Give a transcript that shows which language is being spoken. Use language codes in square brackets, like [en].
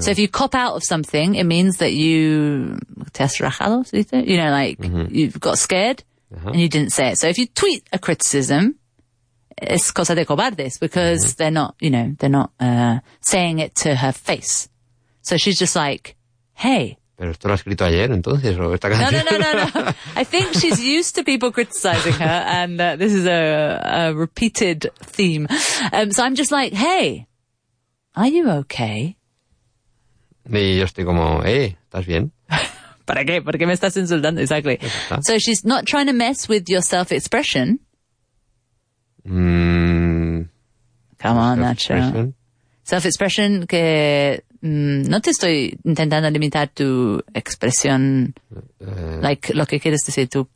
[en] So if you cop out of something, it means that you [es] te has rajado, [en] you know, like mm-hmm. you've got scared uh-huh. and you didn't say it. So if you tweet a criticism, it's [es] cosa de cobardes [en] because mm-hmm. they're not, you know, they're not saying it to her face. So she's just like, hey. [es] Pero esto lo ha escrito ayer, entonces, o esta canción. No. [en] I think she's used to people criticizing her, and this is a repeated theme. So I'm just like, hey, are you okay? [es] Y yo estoy como, hey, ¿estás bien? ¿Para qué? ¿Por qué me estás insultando? [en] Exactly. So she's not trying to mess with your self-expression. Mm, come on, Nacho. [es] self-expression que no te estoy intentando limitar tu expresión, like lo que quieres decir tú.